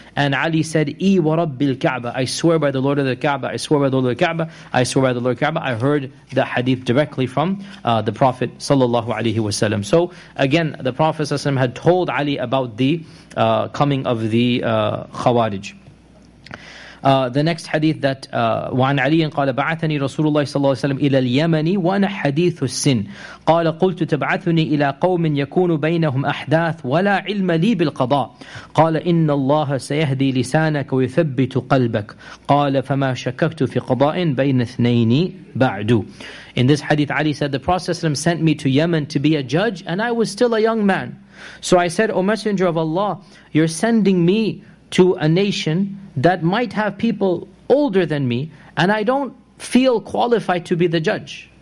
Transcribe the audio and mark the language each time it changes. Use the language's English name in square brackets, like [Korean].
[English] And Ali said, [Arabic] "E wa Rabbil Kaaba, [English] I swear by the Lord of the Kaaba, I swear by the Lord of the Kaaba, I swear by the Lord of the Kaaba." I heard the hadith directly from the Prophet ﷺ. So again, the Prophet ﷺ had told Ali about the coming of the Khawarij. The next hadith that [Arabic] وعن علي قال بعثني رسول الله صلى الله عليه وسلم إلى اليمن وأنا حديث السن قال قلت تبعثني إلى قوم يكون بينهم أحداث ولا علم لي بالقضاء قال إن الله سيهدي لسانك ويثبت قلبك قال فما شككت في قضاء بين اثنين بعد. [English] In this hadith, Ali said, the Prophet ﷺ sent me to Yemen to be a judge, and I was still a young man. So I said, O Messenger of Allah, you're sending me to a nation that might have people older than me, and I don't feel qualified to be the judge.